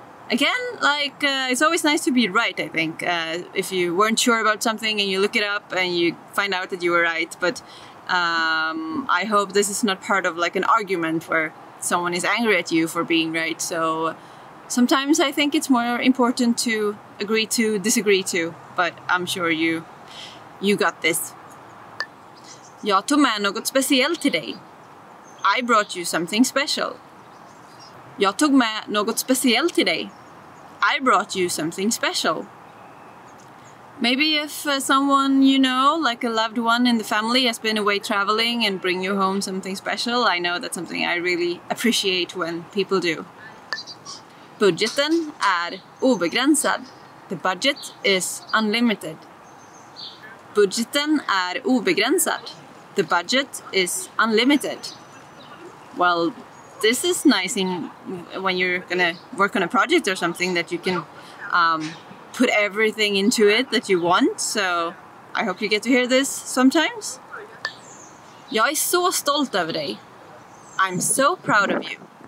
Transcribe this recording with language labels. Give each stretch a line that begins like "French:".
English: Again, like, it's always nice to be right, I think. If you weren't sure about something and you look it up and you find out that you were right. But I hope this is not part of, like, an argument where someone is angry at you for being right. So sometimes I think it's more important to agree to disagree to. But I'm sure you got this.
Swedish: Jag tog med något speciellt idag.
English: I brought you something special.
Swedish: Jag tog med något speciellt idag.
English: I brought you something special. Maybe if someone you know, like a loved one in the family, has been away traveling and bring you home something special, I know that's something I really appreciate when people do.
Swedish: Budgeten är obegränsad.
English: The budget is unlimited.
Swedish: Budgeten är obegränsad.
English: The budget is unlimited. Well, this is nice in when you're gonna work on a project or something that you can put everything into it that you want. So I hope you get to hear this sometimes.
Swedish: Jag är så stolt över dig.
English: I'm so proud of you.